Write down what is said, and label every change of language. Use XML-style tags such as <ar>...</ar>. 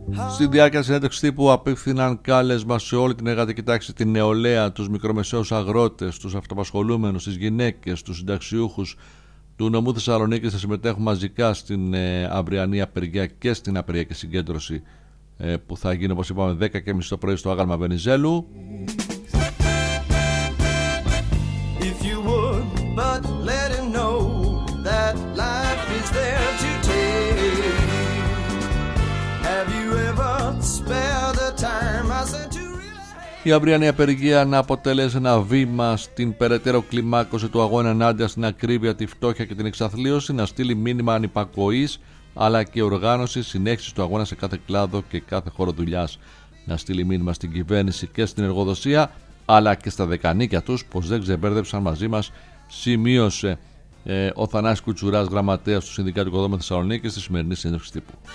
<el>Στη διάρκεια της συνέντευξης τύπου απίφθηναν κάλεσμα σε όλη την εργατική τάξη, την νεολαία, τους μικρομεσαίους αγρότες, τους αυτοαπασχολούμενους, τις γυναίκες, τους συνταξιούχους του νομού Θεσσαλονίκης να συμμετέχουν μαζικά στην αυριανή απεργία και στην απεριακή συγκέντρωση που θα γίνει, όπως είπαμε, 10.30 το πρωί στο άγαλμα Βενιζέλου.</el> <en>If you would but let him know that life is there to take. Have you ever spared the time I said to really...</en> <el>Η αυριανή απεργία να αποτελέσει ένα βήμα στην περαιτέρω κλιμάκωση του αγώνα ενάντια στην ακρίβεια, τη φτώχεια και την εξαθλίωση, να στείλει μήνυμα ανυπακοής αλλά και οργάνωση συνέχισης του αγώνα σε κάθε κλάδο και κάθε χώρο δουλειάς. Να στείλει μήνυμα στην κυβέρνηση και στην εργοδοσία, αλλά και στα δεκανίκια τους, πως δεν ξεμπέρδεψαν μαζί μας, σημείωσε ο Θανάσης Κουτσουράς, γραμματέας του Συνδικάτου Οικοδόμων Θεσσαλονίκης, στη σημερινή συνέντευξη τύπου.</el>